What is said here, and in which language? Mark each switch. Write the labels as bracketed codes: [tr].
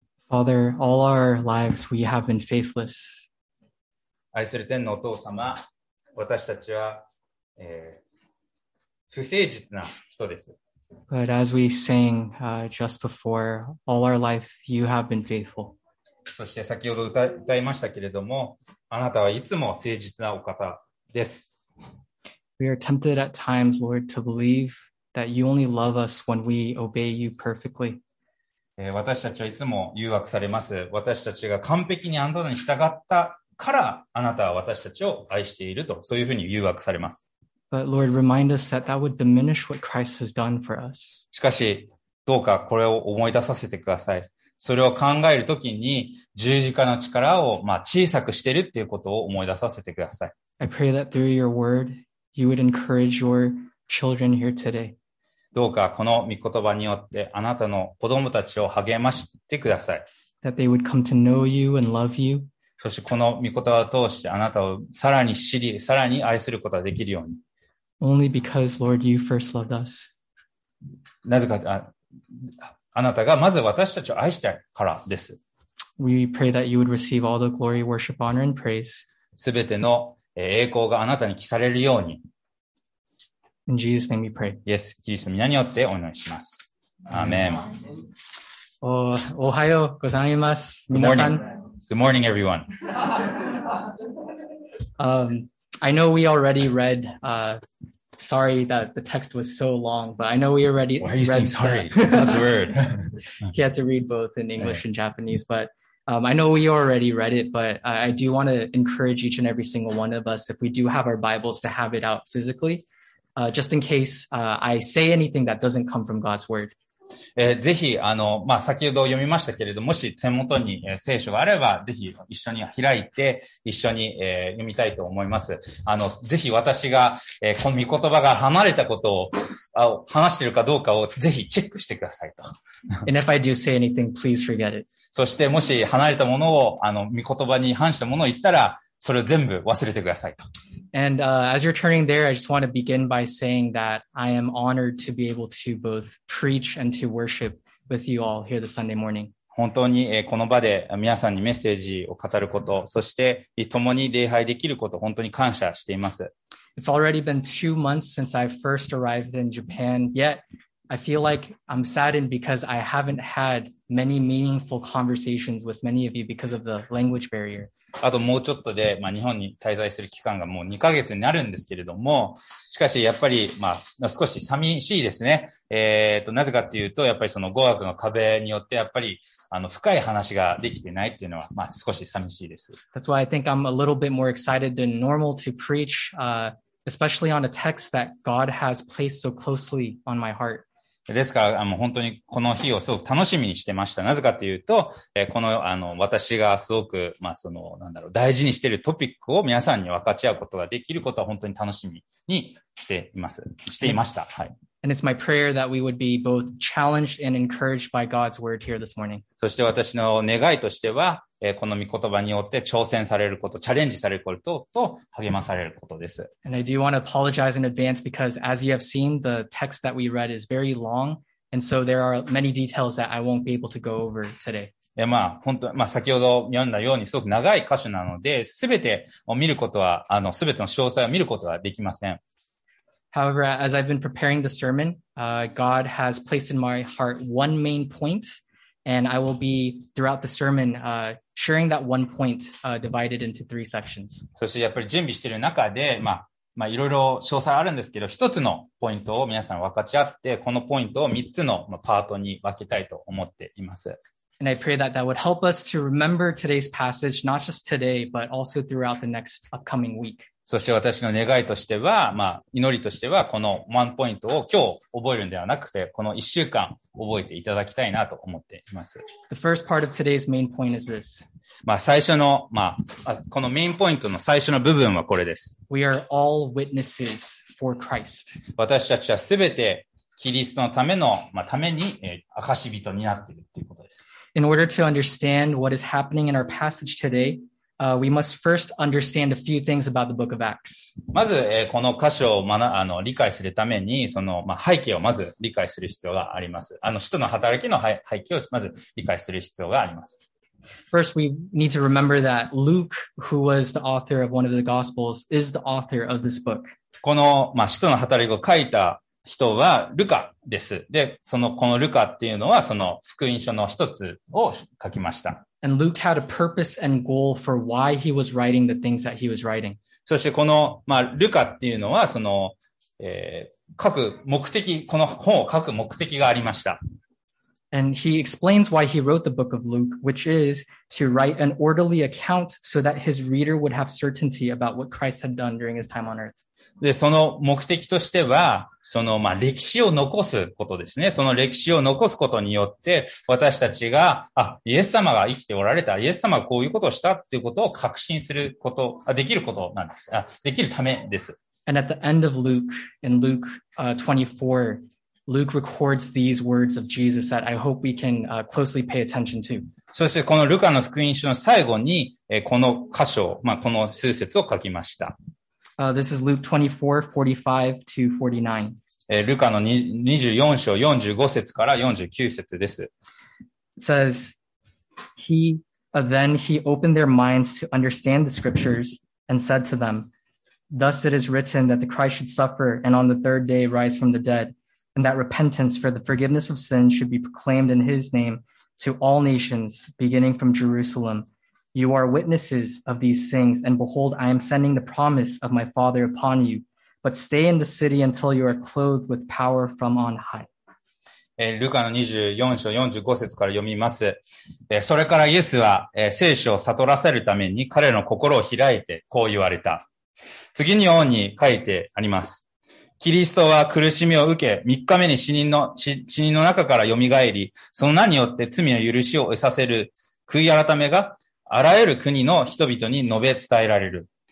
[en] Father, all our lives we have been faithless. [ja] 愛する天のお父様、私たちは、不誠実な人です。 [en] But as we sang, just before, all our life you have been faithful. [ja] そして先ほど 歌いましたけれども、あなたはいつも誠実なお方です。 [en] We are tempted at times, Lord, to believe that you only love us when we obey you perfectly. [ja] 私たちはいつも誘惑されます。私たちが完璧にあなたに従ったから、あなたは私たちを愛していると、そういうふうに誘惑されます。 [en] But Lord, remind us that that would diminish what Christ has done for us. [ja] しかし、どうかこれを思い出させてください。それを考えるときに十字架の力をまあ小さくしているっていうことを思い出させてください。 [en] I pray that through your word, you would encourage your children here today. [ja] どうかこの御言葉によってあなたの子供たちを励ましてください。 [en] That they would come to know you and love you. [ja] そしてこの御言葉を通してあなたをさらに知り、さらに愛することができるように。 [en] Only because, Lord, you first loved us. [ja] なぜか、あなたがまず私たちを愛したからです。 [en] We pray that you would receive all the glory, worship, honor, and praise. [ja] すべての栄光があなたに帰されるように。 [en] In Jesus' name we pray. [ja] イエス、キリストの名によってお祈りします。アーメン。おはようございます。 [en] Good morning. Good morning, everyone. I know we already read, Sorry that the text was so long, but I know we already read. Why are you saying sorry? God's word. He had to read both in English and Japanese, but I know we already read it, but I do want to encourage each and every single one of us, if we do have our Bibles, to have it out physically, just in case I say anything that doesn't come from God's word. [ja] ぜひ、まあ、先ほど読みましたけれども、もし手元に聖書があれば、ぜひ一緒に開いて、一緒に読みたいと思います。ぜひ私が、この御言葉が離れたことを、話しているかどうかをぜひチェックしてくださいと。 [en] And if I do say anything, please forget it. [ja] そして、もし離れたものを、御言葉に反したものを言ったら、それを全部忘れてくださいと。 [en] And, as you're turning there, I just want to begin by saying that I am honored to be able to both preach and to worship with you all here this Sunday morning. [ja] 本当に、この場で皆さんにメッセージを語ること、そして共に礼拝できること、本当に感謝しています。 [en] It's already been 2 months since I first arrived in Japan, yet I feel like I'm saddened because I haven't had many meaningful conversations with many of you because of the language barrier. [ja] あともうちょっとで、まあ、日本に滞在する期間がもう2ヶ月になるんですけれども、しかしやっぱり、まあ、少し寂しいですね。なぜかっていうと、やっぱりその語学の壁によって、やっぱり、深い話ができてないっていうのは、まあ、少し寂しいです。 [en] That's why I think I'm a little bit more excited than normal to preach, especially on a text that God has placed so closely on my heart. [ja] ですから、本当にこの日をすごく楽しみにしてました。なぜかというと、この、私がすごく、まあ、なんだろう、大事にしているトピックを皆さんに分かち合うことができることは本当に楽しみにしています。していました。はい。 [en] And it's my prayer that we would be both challenged and encouraged by God's word here this morning. [ja] そして私の願いとしては、この御言葉によって挑戦されること、チャレンジされることと励まされることです。 [en] And I do want to apologize in advance because as you have seen, the text that we read is very long. And so there are many details that I won't be able to go over today. [ja] まあ、本当、まあ、先ほど読んだように、すごく長い箇所なので、すべてを見ることは、すべての詳細を見ることはできません。 [en] However, as I've been preparing the sermon, God has placed in my heart one main point, and I will be throughout the sermon, sharing that one point, divided into three sections. [ja] そしてやっぱり準備している中で、まあ、まあ、いろいろ詳細あるんですけど、一つのポイントを皆さん分かち合って、このポイントを三つのパートに分けたいと思っています。 [en] And I pray that that would help us to remember today's passage, not just today, but also throughout the next upcoming week. [ja] そして私の願いとしては、まあ、祈りとしては、このワンポイントを今日覚えるんではなくて、この一週間覚えていただきたいなと思っています。 [en] The first part of today's main point is this. [ja] まあ、最初の、まあ、このメインポイントの最初の部分はこれです。 [en] We are all witnesses for Christ. [ja] 私たちはすべてキリストのための、まあ、ために、証人になっているということです。 [en] In order to understand what is happening in our passage today,we must first understand a few things about the book of Acts. [ja] まず、この箇所を、ま、あの理解するために、その、まあ、背景をまず理解する必要があります。あの、使徒の働きの背景をまず理解する必要があります。 [en] First, we need to remember that Luke, who was the author of one of the Gospels, is the author of this book. [ja] この、まあ、使徒の働きを書いた人はルカです。で、その、このルカっていうのは、その、福音書の一つを書きました。 [en] And Luke had a purpose and goal for why he was writing the things that he was writing. [ja] そしてこの、まあ、ルカっていうのは、その、書く目的、この本を書く目的がありました。 [en] And he explains why he wrote the book of Luke, which is to write an orderly account so that his reader would have certainty about what Christ had done during his time on earth. [ja] で、その目的としては、その、まあ、歴史を残すことですね。その歴史を残すことによって、私たちが、あ、イエス様が生きておられた、イエス様がこういうことをしたっていうことを確信すること、あ、できることなんです。あ、できるためです。 [en] And at the end of Luke, in Luke 24, Luke records these words of Jesus that I hope we can closely pay attention to. [ja] そして、このルカの福音書の最後に、この箇所、まあ、この数節を書きました。 [en] This is Luke 24:45 to 49. [ja] ルカの24章45節から49節です。 [en] It says, Then he opened their minds to understand the scriptures and said to them, Thus it is written that the Christ should suffer and on the third day rise from the dead, and that repentance for the forgiveness of sins should be proclaimed in his name to all nations, beginning from Jerusalem. You are witnesses of these things, and behold, I am sending the promise of my Father upon you. But stay in the city until you are clothed with power from on high. [ja] ルカの24章45節から読みます。それからイエスは、聖書を悟らせるために彼の心を開いてこう言われた。次のように書いてあります。キリストは苦しみを受け、三日目に死人の中から蘇り、その名によって罪の許しを得させる悔い改めが、あらゆる国の人々に述べ伝えられる。